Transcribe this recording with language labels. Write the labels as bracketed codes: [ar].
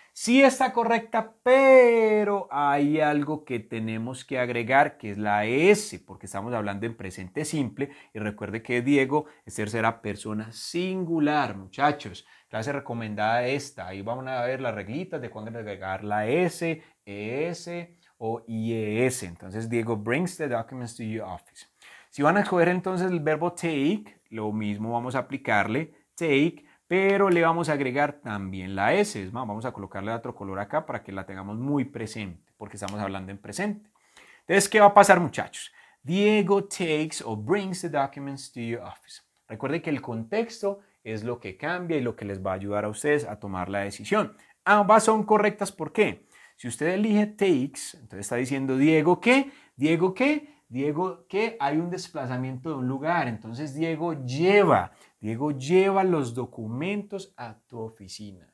[es] Sí está correcta, pero hay algo que tenemos que agregar, que es la S, porque estamos hablando en presente simple. Y recuerde que Diego es tercera persona singular, muchachos. Clase recomendada esta. Ahí van a ver las reglitas de cuándo agregar la S, ES o IES. [en] Entonces, Diego brings the documents to your office. [es] Si van a escoger entonces el verbo take, lo mismo vamos a aplicarle, take, pero le vamos a agregar también la S. Es más, vamos a colocarle otro color acá para que la tengamos muy presente, porque estamos hablando en presente. Entonces, ¿qué va a pasar, muchachos? [en] Diego takes or brings the documents to your office. [es] Recuerde que el contexto es lo que cambia y lo que les va a ayudar a ustedes a tomar la decisión. Ambas son correctas, ¿por qué? Si usted elige takes, entonces está diciendo Diego, ¿qué? Diego, ¿qué? Diego, ¿qué? Hay un desplazamiento de un lugar. Entonces, Diego lleva los documentos a tu oficina.